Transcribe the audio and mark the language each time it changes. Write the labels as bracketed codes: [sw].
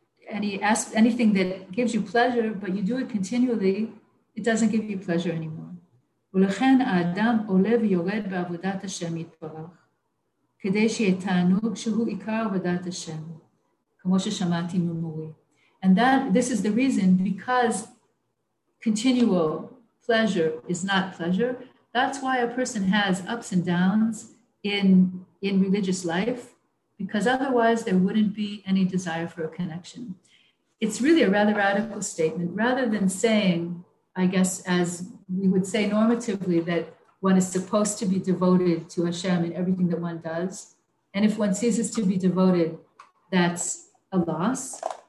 [en] When you have anything that gives you pleasure, but you do it continually, it doesn't give you pleasure anymore. [he] ולכן האדם עולה ויורד בעבודת השם יתברך, כדי שיהיה תענוג שהוא עיקר עבודת השם, כמו ששמעתי ממורי. [en] And this is the reason, because continual pleasure is not pleasure, that's why a person has ups and downs in religious life, because otherwise there wouldn't be any desire for a connection. It's really a rather radical statement. Rather than saying, I guess, as we would say normatively, that one is supposed to be devoted to Hashem in everything that one does, and if one ceases to be devoted, that's a loss.